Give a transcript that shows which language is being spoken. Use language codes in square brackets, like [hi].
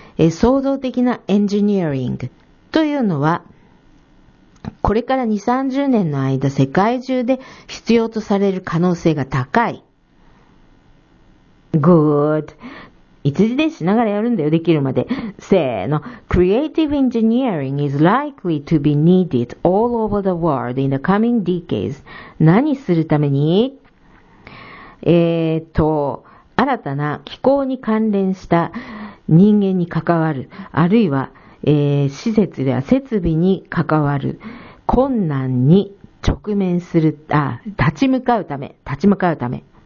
[ja] 創造的なエンジニアリングというのは、これから2、30年の間、世界中で必要とされる可能性が高い。 [en] Good. [ja] 一時でしながらやるんだよ、できるまで。せーの。 [en] Creative engineering is likely to be needed all over the world in the coming decades. [ja] 何するために? 新たな気候に関連した人間に関わる、あるいは、施設や設備に関わる困難に直面する、立ち向かうため、立ち向かうため。